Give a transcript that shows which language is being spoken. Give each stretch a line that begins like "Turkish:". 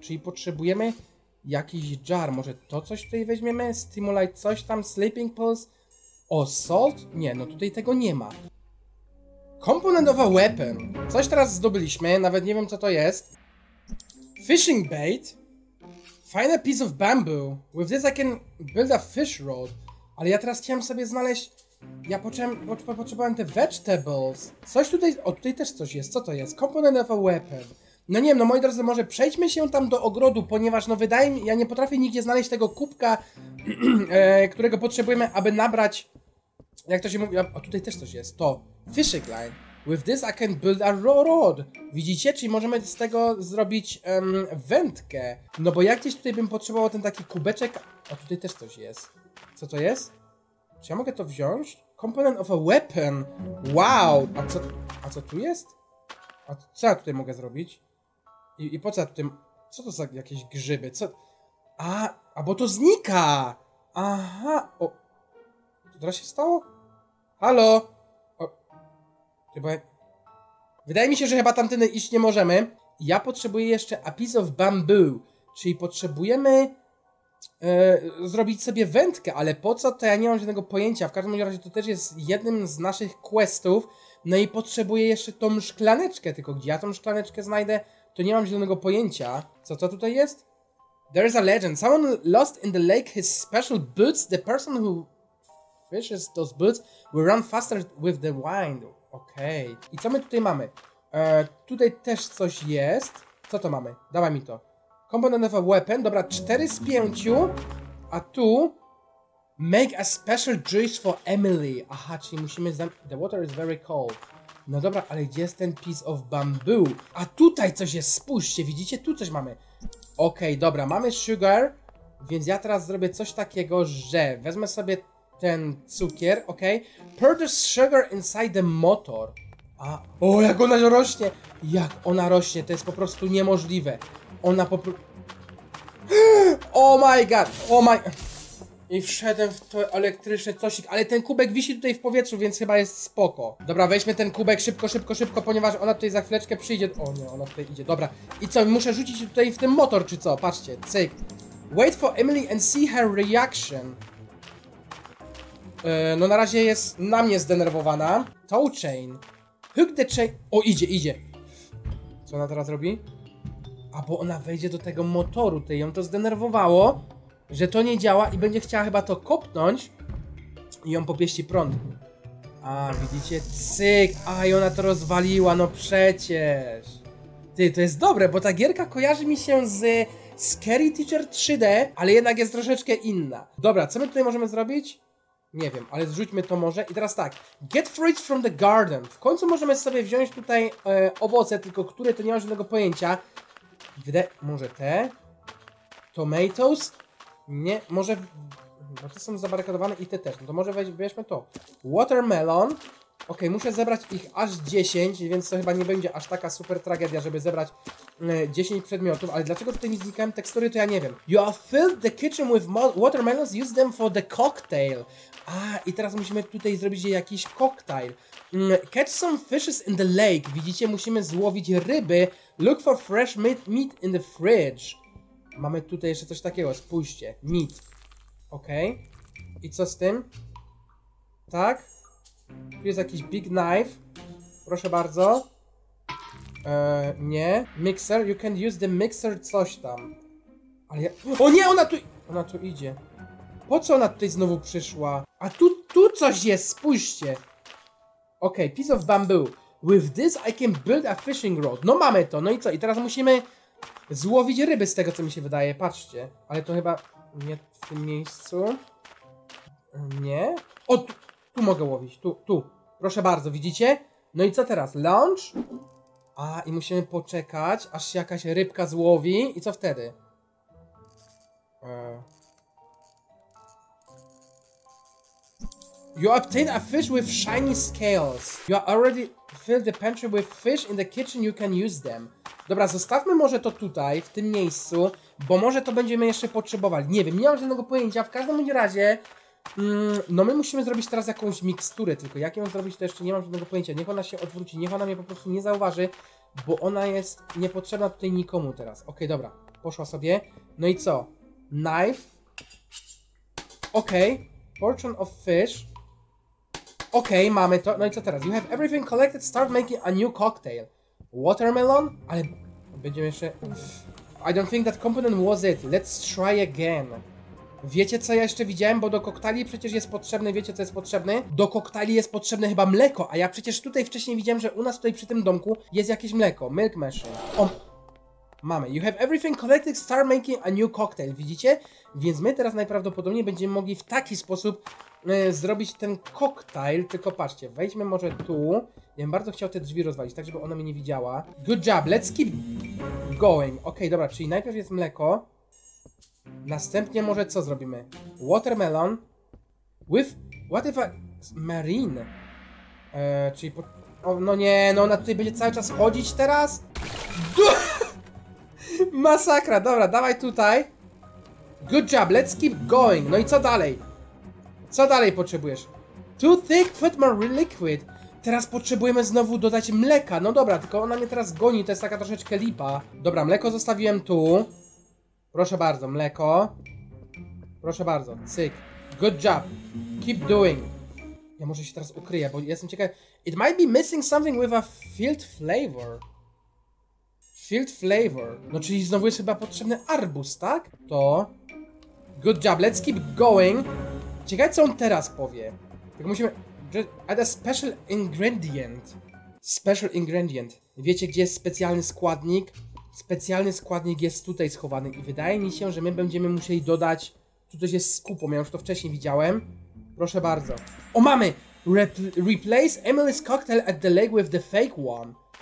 Polish: Czyli potrzebujemy jakiś jar. Może to coś tutaj weźmiemy?
English: Stimulate
Polish: coś tam?
English: Sleeping pills? O, salt?
Polish: Nie, no tutaj tego nie ma.
English: Component of a weapon.
Polish: Coś teraz zdobyliśmy. Nawet nie wiem, co to jest.
English: Fishing bait. Find a piece of bamboo. With this I can build a fish rod.
Polish: Ale ja teraz chciałem sobie znaleźć... Ja potrzebowałem te
English: vegetables.
Polish: Coś tutaj... O, tutaj też coś jest. Co to jest?
English: Component of a weapon.
Polish: No nie wiem, no moi drodzy, może przejdźmy się tam do ogrodu, ponieważ no wydaje mi... Ja nie potrafię nigdzie znaleźć tego kubka, którego potrzebujemy, aby nabrać... Jak to się mówi... O, tutaj też coś jest. To.
English: Fishing line. With this I can build a rod.
Polish: Widzicie? Czyli możemy z tego zrobić wędkę. No bo ja gdzieś tutaj bym potrzebował ten taki kubeczek. O, tutaj też coś jest. Co to jest? Czy ja mogę to wziąć?
English: Component of a weapon. Wow!
Polish: A co tu jest? A co ja tutaj mogę zrobić? I po co ja tutaj... Co to za jakieś grzyby? Co... A bo to znika! Aha! O! Co teraz się stało? Halo? Chyba... Wydaje mi się, że chyba tamtędy iść nie możemy. Ja potrzebuję jeszcze
English: a piece of bamboo.
Polish: Czyli potrzebujemy zrobić sobie wędkę. Ale po co, to ja nie mam żadnego pojęcia. W każdym razie to też jest jednym z naszych questów. No i potrzebuję jeszcze tą szklaneczkę. Tylko gdzie ja tą szklaneczkę znajdę, to nie mam żadnego pojęcia. Co to tutaj jest?
English: There is a legend. Someone lost in the lake his special boots. The person who fishes those boots will run faster with the wind.
Polish: Okej. Okay. I co my tutaj mamy? Tutaj też coś jest. Co to mamy? Dawaj mi to.
English: Component of a weapon.
Polish: Dobra, 4 z 5. A tu...
English: Make a special juice for Emily.
Polish: Aha, czyli musimy...
English: The water is very cold.
Polish: No dobra, ale gdzie jest ten
English: piece of bamboo?
Polish: A tutaj coś jest. Spójrzcie, widzicie? Tu coś mamy. Okej, dobra. Mamy sugar. Więc ja teraz zrobię coś takiego, że wezmę sobie... Ten cukier, okej.
English: Okay. Pour the sugar inside the motor.
Polish: A, o, jak ona rośnie! Jak ona rośnie, to jest po prostu niemożliwe. Ona po prostu...
English: Oh my god! Oh my...
Polish: I wszedłem w twój elektryczny cosik, ale ten kubek wisi tutaj w powietrzu, więc chyba jest spoko. Dobra, weźmy ten kubek szybko, szybko, szybko, ponieważ ona tutaj za chwileczkę przyjdzie. O nie, ona tutaj idzie, dobra. I co, muszę rzucić tutaj w ten motor, czy co? Patrzcie, cyk.
English: Wait for Emily and see her reaction.
Polish: No na razie jest na mnie zdenerwowana.
English: Tow chain. Hook the chain.
Polish: O, idzie, idzie. Co ona teraz robi? A bo ona wejdzie do tego motoru, ty, ją to zdenerwowało, że to nie działa i będzie chciała chyba to kopnąć i ją popieści prąd. A, widzicie? Cyk! A, i ona to rozwaliła, no przecież! Ty, to jest dobre, bo ta gierka kojarzy mi się z Scary Teacher 3D, ale jednak jest troszeczkę inna. Dobra, co my tutaj możemy zrobić? Nie wiem, ale zrzućmy to może. I teraz tak,
English: get fruits from the garden.
Polish: W końcu możemy sobie wziąć tutaj owoce, tylko które to nie mam żadnego pojęcia. Może te? Tomatoes? Nie, może... Bo te są zabarykadowane i te też. No to może weźmy to. Watermelon. Okej, muszę zebrać ich aż 10, więc to chyba nie będzie aż taka super tragedia, żeby zebrać 10 przedmiotów. Ale dlaczego tutaj nie znikają tekstury, to ja nie wiem.
English: You have filled the kitchen with watermelons, use them for the cocktail.
Polish: A, i teraz musimy tutaj zrobić jakiś koktajl.
English: Catch some fishes in the lake.
Polish: Widzicie, musimy złowić ryby.
English: Look for fresh meat in the fridge.
Polish: Mamy tutaj jeszcze coś takiego, spójrzcie. Meat. Okej. I co z tym? Tak? Tu jest jakiś big knife. Proszę bardzo. Nie.
English: Mixer, you can use the mixer
Polish: coś tam. Ale ja... O nie, ona tu idzie. Po co ona tutaj znowu przyszła? A tu coś jest, spójrzcie. Okej, piece of bamboo. With this I can build a fishing rod. No mamy to, no i co? I teraz musimy złowić ryby z tego, co mi się wydaje. Patrzcie. Ale to chyba nie w tym miejscu. Nie. O, tu mogę łowić, tu. Proszę bardzo, widzicie? No i co teraz? Launch? A, i musimy poczekać, aż się jakaś rybka złowi. I co wtedy?
English: You obtain a fish with shiny scales. You already filled the pantry with fish in the kitchen, you can use them.
Polish: Dobra, zostawmy może to tutaj, w tym miejscu, bo może to będziemy jeszcze potrzebowali. Nie wiem, nie mam żadnego pojęcia, w każdym razie... no my musimy zrobić teraz jakąś miksturę, tylko jak ją zrobić, to jeszcze nie mam żadnego pojęcia. Niech ona się odwróci, niech ona mnie po prostu nie zauważy, bo ona jest niepotrzebna tutaj nikomu teraz. Okej, dobra, poszła sobie. No i co? Knife. Okej. Portion of fish. Okej, mamy to. No i co teraz?
English: You have everything collected, start making a new cocktail. Watermelon?
Polish: Ale będziemy jeszcze...
English: I don't think that component was it. Let's try again.
Polish: Wiecie, co ja jeszcze widziałem? Bo do koktajli przecież jest potrzebne, wiecie, co jest potrzebne? Do koktajli jest potrzebne chyba mleko, a ja przecież tutaj wcześniej widziałem, że u nas tutaj przy tym domku jest jakieś mleko. Milk machine. O! Mamy.
English: You have everything collected, start making a new cocktail.
Polish: Widzicie? Więc my teraz najprawdopodobniej będziemy mogli w taki sposób zrobić ten koktajl. Tylko patrzcie, wejdźmy może tu. Ja bym bardzo chciał te drzwi rozwalić, tak żeby ona mnie nie widziała.
English: Good job, let's keep going.
Polish: Okej, dobra, czyli najpierw jest mleko. Następnie może co zrobimy?
English: Watermelon. With... What if a... Marine.
Polish: Czyli po... O, no nie, no ona tutaj będzie cały czas chodzić teraz? Masakra, dobra, dawaj tutaj.
English: Good job, let's keep going.
Polish: No i co dalej? Co dalej potrzebujesz?
English: Too thick, put more liquid.
Polish: Teraz potrzebujemy znowu dodać mleka. No dobra, tylko ona mnie teraz goni, to jest taka troszeczkę lipa. Dobra, mleko zostawiłem tu. Proszę bardzo, mleko. Proszę bardzo, cyk.
English: Good job, keep doing.
Polish: Ja może się teraz ukryję, bo jestem ciekawy.
English: It might be missing something with a filled flavor. Filled flavor.
Polish: No czyli znowu jest chyba potrzebny arbuz, tak? To...
English: Good job, let's keep going.
Polish: Ciekawe, co on teraz powie. Tylko musimy...
English: Just add a special ingredient. Special ingredient.
Polish: Wiecie, gdzie jest specjalny składnik? Specjalny składnik jest tutaj schowany i wydaje mi się, że my będziemy musieli dodać... Tu coś jest z kupą, ja już to wcześniej widziałem. Proszę bardzo. O, mamy!
English: Replace Emily's cocktail at the lake with the fake one.